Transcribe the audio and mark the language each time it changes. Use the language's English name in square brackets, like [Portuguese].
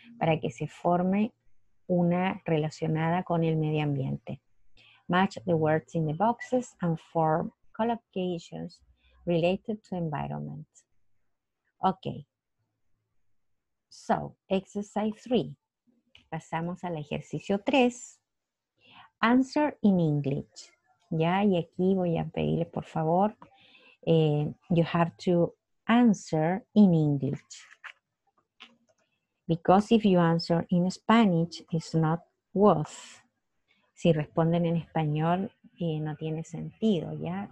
[Spanish] Para que se forme una relacionada con el medio ambiente. [English] Match the words in the boxes and form collocations related to environment. Ok. So, exercise 3. [Spanish] Pasamos al ejercicio 3. [English] Answer in English. [Spanish] Ya, y aquí voy a pedirle por favor. [English] You have to answer in English. Because if you answer in Spanish, it's not worth. [Spanish] Si responden en español, no tiene sentido, ¿ya?